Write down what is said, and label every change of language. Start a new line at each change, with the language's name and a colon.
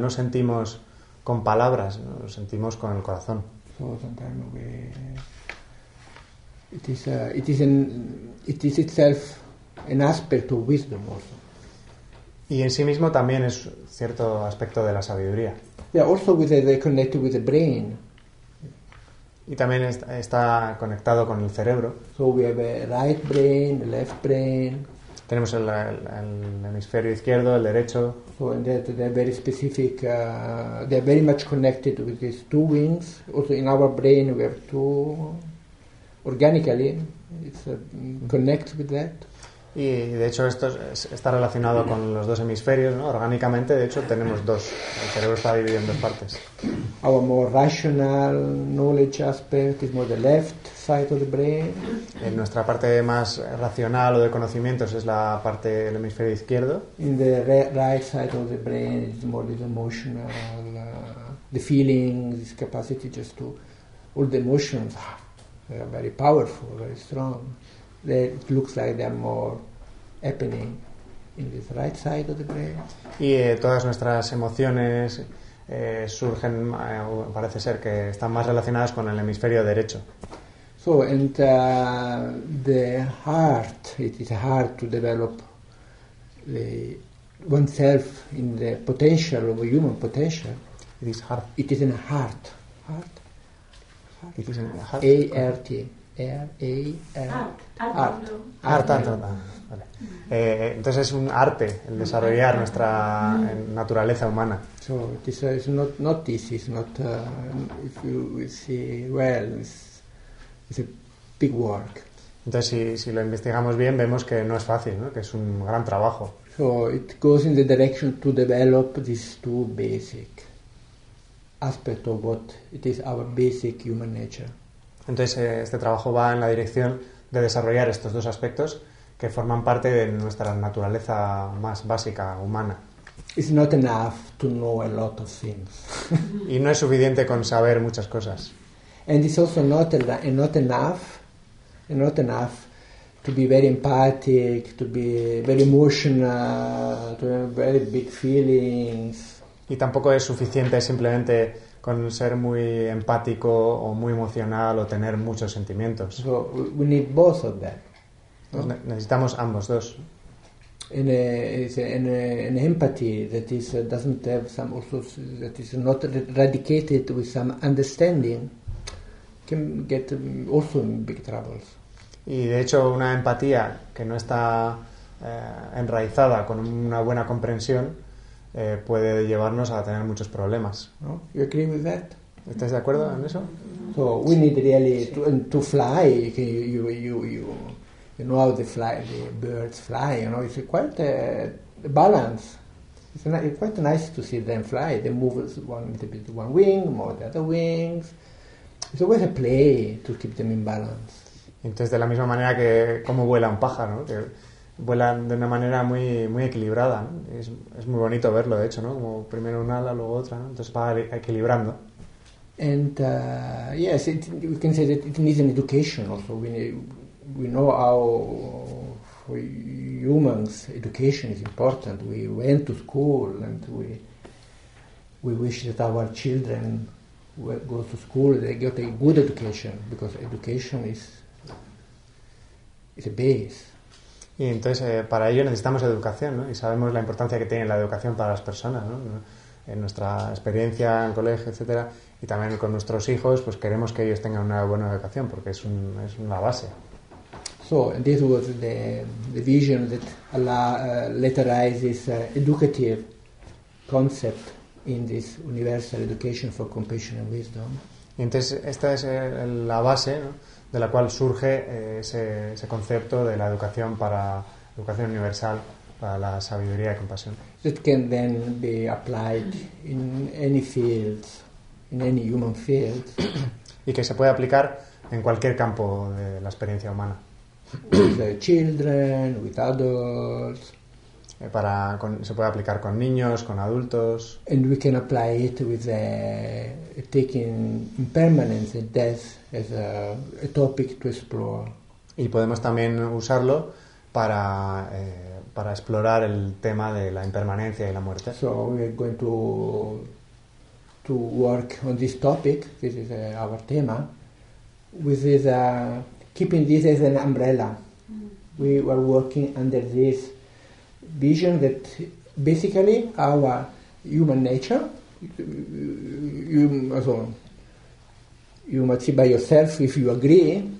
Spanish: No sentimos con palabras, no, sentimos con el corazón.
English: So sometimes we... It is itself an aspect of wisdom also.
Spanish: Y en sí mismo también es cierto aspecto de la sabiduría.
English: Yeah, also with the connected with the brain.
Spanish: Y también está conectado con el cerebro.
English: So we have a right brain, a left brain.
Spanish: Tenemos el hemisferio izquierdo, el derecho.
English: So and that they're very specific. They're very much connected with these two wings. Also in our brain we have two. Organically, it's connected with that.
Spanish: Y de hecho esto está relacionado con los dos hemisferios, ¿no? Orgánicamente, de hecho, tenemos dos. El cerebro está dividido en dos partes.
English: Our more rational knowledge aspect is more the left side of the brain.
Spanish: En nuestra parte más racional o de conocimientos es la parte del hemisferio izquierdo.
English: In the right side of the brain is more the emotional, the feelings, this capacity just to all the emotions. They are very powerful, very strong. It looks like they are more happening in this right side of the brain.
Spanish: Y todas nuestras emociones surgen, parece ser que están más relacionadas con el hemisferio derecho.
English: So, and the heart, it is hard to develop the oneself in the potential of a human potential. It is hard. It is in a heart. Heart? A-R-T. A-R-T. Art. Art. Art.
Spanish: Vale. Entonces es un arte el desarrollar nuestra naturaleza humana.
English: So it is not easy. It's not, if you see well, it's a big work.
Spanish: Entonces si lo investigamos bien, vemos que no es fácil, ¿no? Que es un gran trabajo.
English: So it goes in the direction to develop these two basic aspect of what it is, our basic human nature.
Spanish: Entonces este trabajo va en la dirección de desarrollar estos dos aspectos que forman parte de nuestra naturaleza más básica humana.
English: It's not enough to know a lot of things.
Spanish: Y no es suficiente con saber muchas cosas.
English: And it's also not enough to be very empathic, to be very emotional, to have very big feelings.
Spanish: Y tampoco es suficiente simplemente con ser muy empático o muy emocional o tener muchos sentimientos.
English: So we need both of them,
Spanish: ¿no? Necesitamos ambos dos.
English: An empathy that is doesn't have some also that is not radicated with some understanding can get also in big troubles.
Spanish: Y de hecho una empatía que no está enraizada con una buena comprensión puede llevarnos a tener muchos problemas.
English: No? You agree with that?
Spanish: ¿Estás de acuerdo en eso?
English: So we need really to fly. You know how the birds fly. You know, it's quite a balance. It's quite nice to see them fly. They move one little bit one wing, more the other wings. It's always a play to keep them in balance.
Spanish: Entonces de la misma manera que cómo vuela un pájaro, ¿no? Vuelan de una manera muy muy equilibrada, ¿no? Es muy bonito verlo, de hecho, ¿no? Como primero una ala, luego otra, ¿no? Entonces va equilibrando.
English: And yes, we can say that it needs an education also. We know how for humans education is important. We went to school and we wish that our children go to school, they get a good education, because education is a base.
Spanish: Y entonces para ello necesitamos educación, ¿no? Y sabemos la importancia que tiene la educación para las personas, ¿no? En nuestra experiencia en el colegio, etcétera, y también con nuestros hijos, pues queremos que ellos tengan una buena educación porque es una base.
English: So and this was the vision that letterizes educative concept in this universal education for compassion and wisdom.
Spanish: Y entonces esta es la base, ¿no? De la cual surge ese concepto de la educación para educación universal para la sabiduría y compasión.
English: It can then be applied in any field, in any human field.
Spanish: Y que se puede aplicar en cualquier campo de la experiencia humana.
English: With children, with adults.
Spanish: Para con, se puede aplicar con niños, con adultos.
English: And we can apply it with taking impermanence and death as a topic to explore.
Spanish: Y podemos también usarlo para explorar el tema de la impermanencia y la muerte.
English: So we are going to work on this topic. This is our tema. With this keeping this as an umbrella. We were working under this vision that basically our human nature, you must see by yourself if you agree.